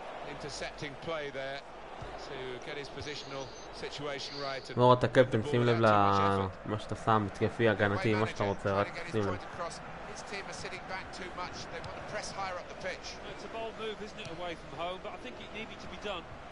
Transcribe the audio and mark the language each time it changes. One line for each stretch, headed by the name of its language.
English: Intercepting play there to get his positional situation right. No, what the captain,
Hebrew: שים לב למה שאתה שם, התקפי, הגנתי, מה שאתה רוצה, רק שים לב.
English: Team are sitting back too much. They want to press higher up the pitch. Well, it's a bold move, isn't it, away from home, but I think it needed to be done.